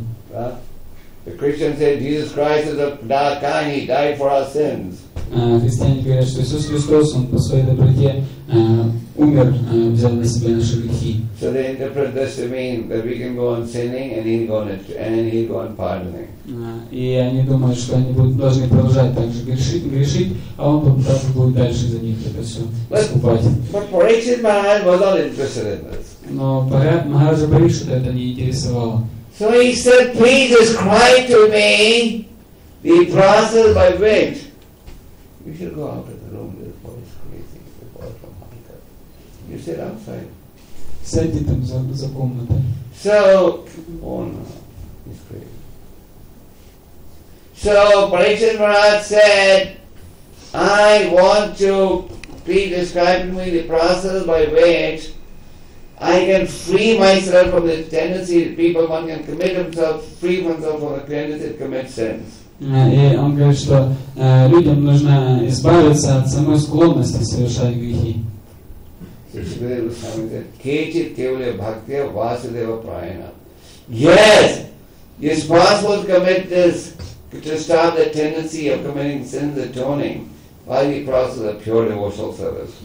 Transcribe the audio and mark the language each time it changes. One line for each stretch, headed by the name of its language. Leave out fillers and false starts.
English: The Christians say Jesus Christ is a Dakan, he died for our sins.
Russian: Христиане говорят, что Иисус Христос, Он по Своей доброте умер, взял на Себя наши грехи.
English: So they interpret this to mean that we can go on sinning and he'll go on pardoning.
Russian: И они думают, что они должны продолжать так же грешить, а Он попытаться будет дальше за них это все искупать.
English: But Parikshit Maharaj was not interested in this.
Russian: Но Махараджа Парикшита это не интересовало.
English: So he said, please describe to me the process by which you should go out of the room, this boy is crazy, the boy from Malta. You sit outside.
Russian: Сядьте там за комнатой.
English: So, oh no, he's crazy. So, Parikshit Maharaj said, I want to please describe to me the process by which I can free myself from the tendency that people, one can commit themselves, free oneself from the tendency to commit sins.
Russian: И он говорит, что людям нужно избавиться от самой склонности совершать грехи.
English: Yes, it's possible to commit this, to stop the tendency of committing sins, atoning by the process of pure devotional service.